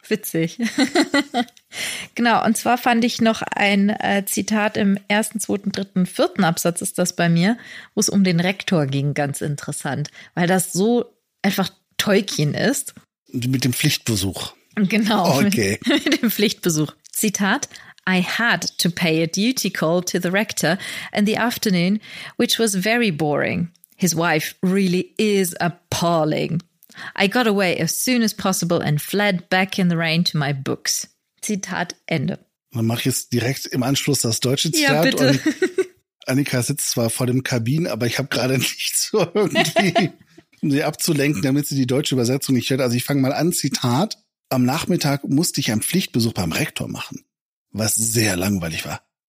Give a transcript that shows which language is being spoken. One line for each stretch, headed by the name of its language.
German: Witzig. Genau, und zwar fand ich noch ein Zitat im 1., 2., 3., 4. Absatz ist das bei mir, wo es um den Rektor ging, ganz interessant, weil das so einfach Tolkien ist. Mit dem Pflichtbesuch. Genau, okay. Mit dem Pflichtbesuch. Zitat,
English: I had to pay a duty call to the rector in the afternoon, which was very boring. His wife really is appalling. I got away as soon as possible and fled back in the rain to my books.
German: Zitat Ende. Dann mache ich jetzt direkt im Anschluss das deutsche Zitat. Ja, bitte. Und Annika sitzt zwar vor dem Kabin, aber ich habe gerade nichts so irgendwie, um sie abzulenken, damit sie die deutsche Übersetzung nicht hört. Also ich fange mal an, Zitat. Am Nachmittag musste ich einen Pflichtbesuch beim Rektor machen, was sehr langweilig war.